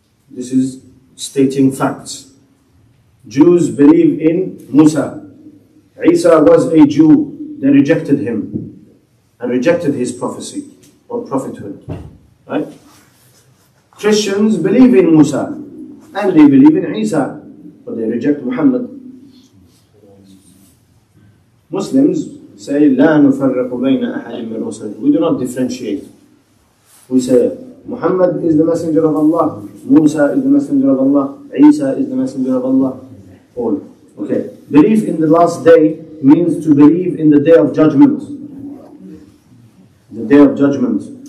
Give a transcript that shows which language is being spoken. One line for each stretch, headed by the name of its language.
English: This is stating facts. Jews believe in Musa. Isa was a Jew. They rejected him and rejected his prophecy or prophethood, right? Christians believe in Musa and they believe in Isa, but they reject Muhammad. Muslims say,
Arabic: لا نفرق بين أحد من رسل.
English: We do not differentiate. We say, Muhammad is the messenger of Allah. Musa is the messenger of Allah. Isa is the messenger of Allah. All. Okay. Belief in the last day means to believe in the day of judgment. The day of judgment.